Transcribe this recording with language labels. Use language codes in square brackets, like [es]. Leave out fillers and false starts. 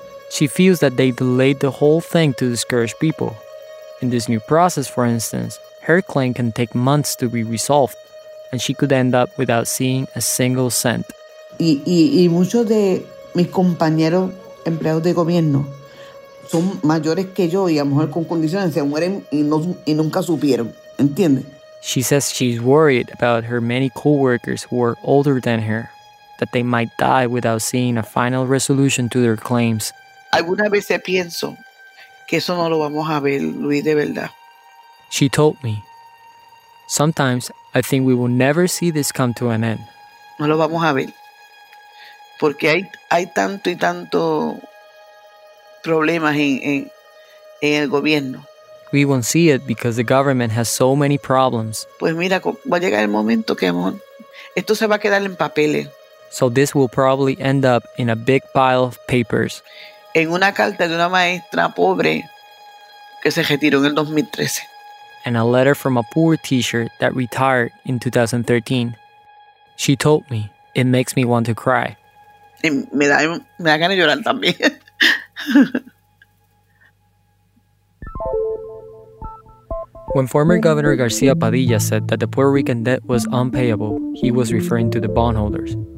[en] She feels that they delayed the whole thing to discourage people. In this new process, for instance, her claim can take months to be resolved, and she could end up without seeing a single cent. [es] Y muchos de mis compañeros empleados de gobierno son mayores que yo y a lo mejor con condiciones se mueren y nunca supieron, ¿entiendes? [en] She says she's worried about her many co-workers who are older than her, that they might die without seeing a final resolution to their claims. [es] Algunas veces pienso que eso no lo vamos a ver, Luis, de verdad. [en] She told me, sometimes I think we will never see this come to an end. [es] No lo vamos a ver. Porque hay tanto y tanto problemas en el gobierno. [en] We won't see it because the government has so many problems. [es] Pues mira, va a llegar el momento que esto se va a quedar en papeles. [en] So this will probably end up in a big pile of papers. [es] En una carta de una maestra pobre que se retiró en el 2013. [en] And a letter from a poor teacher that retired in 2013. She told me, it makes me want to cry. [es] Me da ganas de llorar también. [en] When former Governor García Padilla said that the Puerto Rican debt was unpayable, he was referring to the bondholders.